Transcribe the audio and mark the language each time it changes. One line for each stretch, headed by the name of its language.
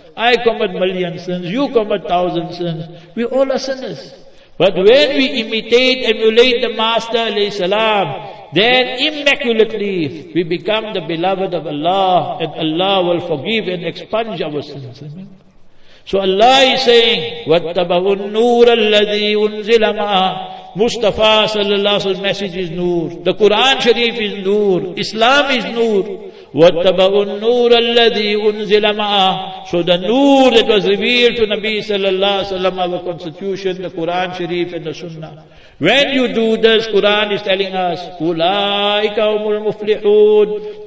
English: I commit million sins, you commit thousands. We all are sinners. But when we imitate, emulate the Master alayhi salam, then immaculately we become the beloved of Allah, and Allah will forgive and expunge our sins. So Allah is saying,
Arabic: وَاتَّبَهُ النُّورَ الَّذِي أُنزِلَ مَعَهُ.
English: Mustafa sallallahu alayhi wa sallam's message is noor. The Quran Sharif is noor. Islam is noor.
Arabic: وَاتَّبَهُ النُّورَ الَّذِي أُنزِلَ مَعَهُ.
English: So the noor that was revealed to Nabi sallallahu alayhi wa sallam, our constitution, the Quran Sharif and the Sunnah. When you do this, Quran is telling us,
Arabic: أُولَٰئِكَ هُمُ الْمُفْلِحُونَ.